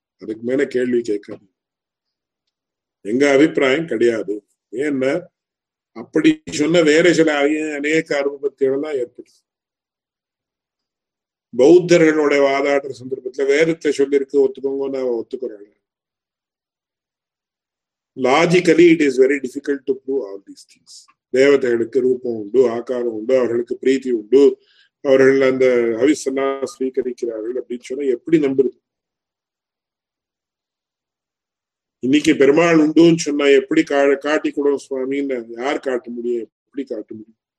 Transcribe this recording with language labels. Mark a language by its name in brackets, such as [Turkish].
[Tamil] அதுக்கு மேல கேள்வி கேட்காது. எங்க அபிப்பிராயம் கிடையாது. ஏன்னா அப்படி சொன்ன வேற சில அநேக அருபத்தியெல்லாம் ஏற்படுது. பௌத்தர்களுடைய வாதாடுற சந்தர்ப்பத்துல வேதத்தை சொல்லியிருக்கு ஒத்துக்கோங்கன்னு அவ ஒத்துக்கிறாங்க. [English] Logically, it is very difficult to prove all these things. [Tamil] தேவதைகளுக்கு ரூபம் உண்டு, ஆகாரம் உண்டு, அவர்களுக்கு பிரீத்தி உண்டு, அவர்கள் அந்த ஹவிசெல்லாம் ஸ்வீகரிக்கிறார்கள் அப்படின்னு சொன்னா எப்படி நம்புறது? இன்னைக்கு பெருமாள் உண்டுன்னு சொன்னா எப்படி காட்டி கொடுக்கும் சுவாமின்னு யார் காட்ட முடியும், எப்படி காட்ட முடியும்?